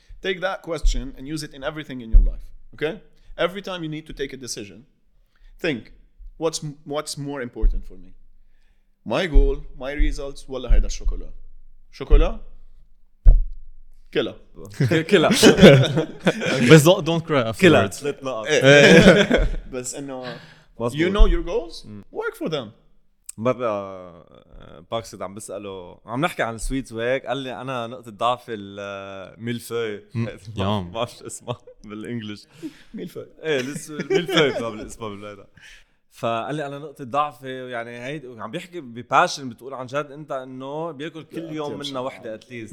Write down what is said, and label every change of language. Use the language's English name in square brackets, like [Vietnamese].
[English] Take that question and use it in everything in your life. Okay? Every time you need to take a decision, think. What's more important for me? My goal, my results, [Arabic] ولا هيدا الشوكولا؟ شوكولا؟ كلا. كلا. [English] بس don't cry afterwards. [Arabic] كلا. [English] Let's let not. بس انه you know your goals, work for them. [Arabic] مرة باكسد عم بسأله, عم نحكي عن السويتس وهيك, قال لي أنا نقطة ضعف الميلفوي. يام. ما عرفش اسمه بالإنجليش. ميلفوي. إيه لسه الميلفوي بقابل اسمه بالبلاد. فقال لي انا نقطه ضعفي يعني هي عم بيحكي بباشن, بتقول عن جد انت انه بياكل كل يوم منا وحده اتليست